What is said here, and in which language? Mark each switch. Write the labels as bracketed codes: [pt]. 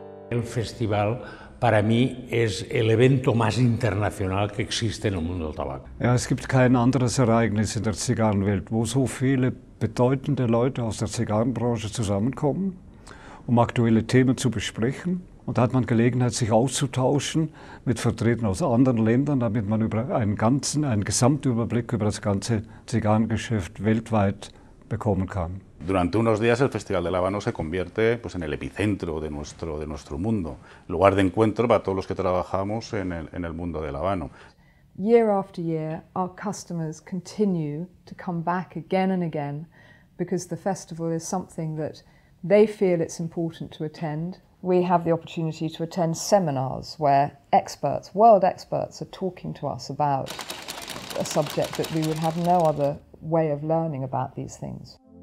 [es] El festival para mí es el evento más internacional que existe en el mundo del tabaco. [de] Ja, es gibt kein anderes Ereignis in der Zigarrenwelt, wo so viele bedeutende Leute aus der Zigarrenbranche zusammenkommen, um aktuelle Themen zu besprechen. Und da hat man Gelegenheit, sich auszutauschen mit Vertretern aus anderen Ländern, damit man über einen Gesamtüberblick über das ganze Zigarrengeschäft weltweit bekommen kann. [es] Durante unos días el Festival de La Habana se convierte pues, en el epicentro de nuestro mundo, lugar de encuentro para todos los que trabajamos en el mundo de La Habana. [en] Year after year, our customers continue to come back again and again because the festival is something that they feel it's important to attend. We have the opportunity to attend seminars where experts, world experts, are talking to us about a subject that we would have no other way of learning about these things.